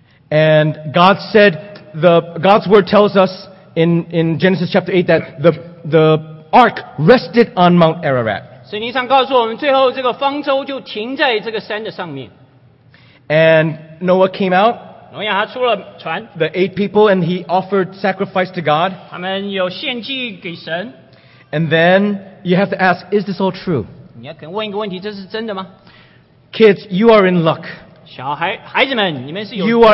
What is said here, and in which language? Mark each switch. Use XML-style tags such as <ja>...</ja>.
<en>And God said, God's word tells us in Genesis chapter 8 that the ark rested on Mount Ararat.</en> <zh>圣经上告诉我们最后这个方舟就停在这个山的上面。</zh> <en>And Noah came out.</en> <zh>挪亚他出了船,</zh> <en>the eight people, and he offered sacrifice to God.</en> <zh>他们有献祭给神,</zh> <en>and then you have to ask, is this all true?</en> <zh>你要问一个问题, 这是真的吗?</zh> <en>Kids, you are in luck.</en> <zh>小孩子们, 你们是有幸福的,</zh>